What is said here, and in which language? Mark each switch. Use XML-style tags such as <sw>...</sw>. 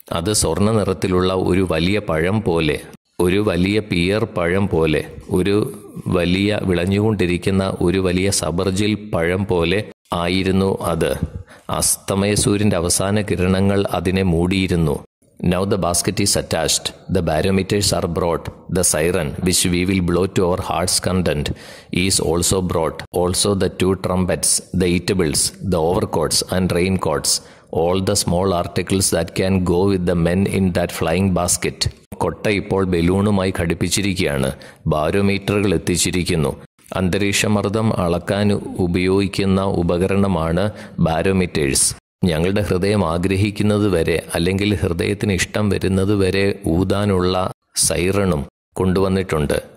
<ml>അത് സ്വർണ്ണ നിറത്തിലുള്ള ഒരു വലിയ പഴം പോലെ, ഒരു വലിയ പിയർ പഴം പോലെ, ഒരു വലിയ വിളഞ്ഞുകൊണ്ടിരിക്കുന്ന ഒരു വലിയ സബർജിൽ പഴം പോലെ ആയിരുന്നു അത്. അസ്തമയ സൂര്യൻ്റെ അവസാന കിരണങ്ങൾ അതിനെ മൂടിയിരുന്നു.</ml> <en>Now the basket is attached. The barometers are brought. The siren, which we will blow to our heart's content, is also brought. Also the two trumpets, the eatables, the overcoats and raincoats, all the small articles that can go with the men in that flying basket.</en> <ml>കൊട്ട ഇപ്പോൾ ബലൂണുമായി ഘടിപ്പിച്ചിരിക്കുകയാണ്. ബാരോമീറ്ററുകൾ എത്തിച്ചിരിക്കുന്നു. അന്തരീക്ഷമർദ്ദം അളക്കാൻ ഉപയോഗിക്കുന്ന ഉപകരണമാണ് ബാരോമീറ്റേഴ്സ്. ഞങ്ങളുടെ ഹൃദയം ആഗ്രഹിക്കുന്നത് വരെ, അല്ലെങ്കിൽ ഹൃദയത്തിന് ഇഷ്ടം വരുന്നത് വരെ ഊതാനുള്ള സൈറണും കൊണ്ടുവന്നിട്ടുണ്ട്.</ml>